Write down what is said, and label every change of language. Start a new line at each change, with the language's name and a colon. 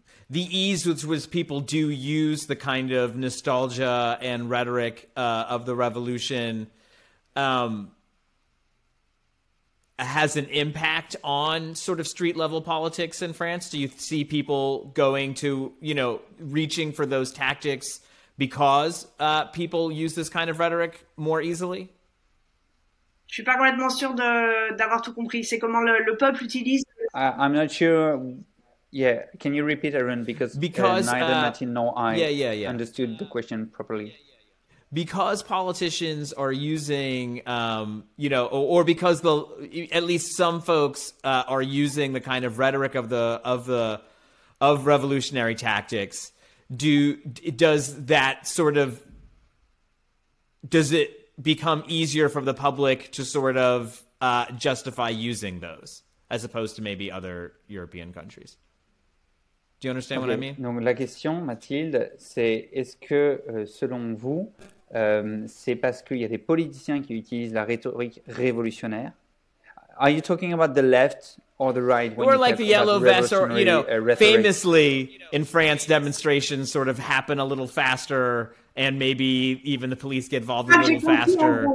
English: the ease with which people do use the kind of nostalgia and rhetoric of the revolution has an impact on sort of street level politics in France? Do you see people going to, you know, reaching for those tactics because people use this kind of rhetoric more easily?
French: Je suis pas complètement sûr d'avoir tout compris. C'est comment le peuple utilise.
English: I'm not sure. Yeah, can you repeat, Aaron, because neither Martin nor I understood the question properly. Because politicians are using, because at least some folks are using the kind of rhetoric of revolutionary tactics, does it become easier for the public to sort of justify using those as opposed to maybe other European countries. Do you understand what I mean?
French: Donc la question, Mathilde, c'est est-ce que selon vous, c'est parce qu'il y a des politiciens qui utilisent la rhétorique révolutionnaire?
English: Are you talking about the left or the right? When or like the yellow vest, or you know, famously in France, demonstrations sort of happen a little faster, and maybe even the police get involved a little faster.